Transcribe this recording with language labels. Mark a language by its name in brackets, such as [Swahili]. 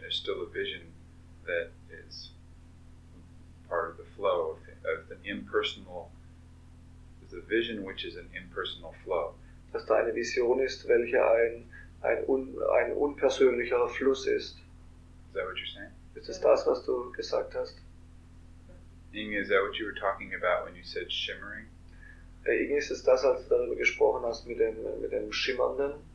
[English] There's still a vision that is part of the flow of an impersonal. There's a vision which is an impersonal flow. [German] Dass da eine Vision ist, welche ein unpersönlicher Fluss ist. [English] Is that what you're saying? [German] Ist das das, was du gesagt hast? [English] Inge, is that what you were talking about when you said shimmering? [German] Inge, ist es das, als du darüber gesprochen hast mit dem Schimmernden?